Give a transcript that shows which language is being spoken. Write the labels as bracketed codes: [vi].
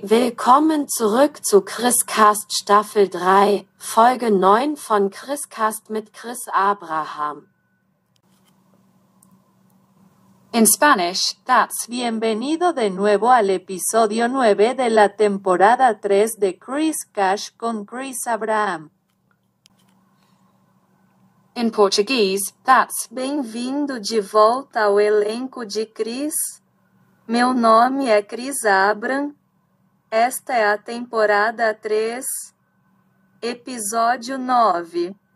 [de] willkommen zurück zu Chris Cast Staffel 3, Folge 9 von Chris Cast mit Chris Abraham. [en] In Spanish, that's [es] bienvenido de nuevo al episodio 9 de la temporada 3 de Chris Cash con Chris Abraham. [en] In Portuguese, that's [pt] bem-vindo de volta ao elenco de Chris. Meu nome é Chris Abraham. Esta é a temporada 3, episódio 9.